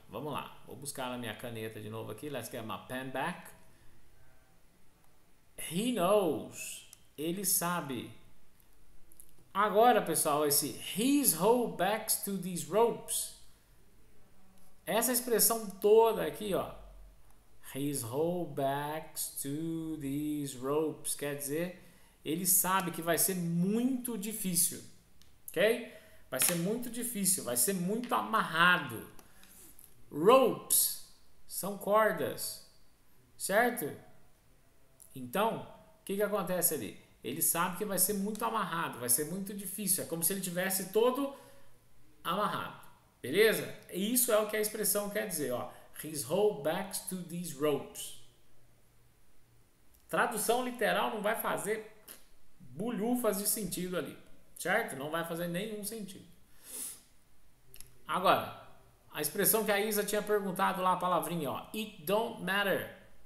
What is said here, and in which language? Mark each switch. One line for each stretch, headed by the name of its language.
Portuguese: Vamos lá, vou buscar a minha caneta de novo aqui.
English: Let's get my pen back. He knows,
Portuguese: ele sabe. Agora, pessoal, esse
English: his whole backs to these ropes,
Portuguese: essa expressão toda aqui, ó.
English: His whole backs to these ropes.
Portuguese: Quer dizer, ele sabe que vai ser muito difícil. Ok? Vai ser muito difícil, vai ser muito amarrado. Ropes são cordas, certo? Então, o que que acontece ali? Ele sabe que vai ser muito amarrado, vai ser muito difícil. É como se ele tivesse todo amarrado. Beleza? Isso é o que a expressão quer dizer, ó.
English: His whole backs to these ropes.
Portuguese: Tradução literal não vai fazer bulhufas de sentido ali, certo? Não vai fazer nenhum sentido. Agora, a expressão que a Isa tinha perguntado lá, a palavrinha, ó,
English: it don't matter.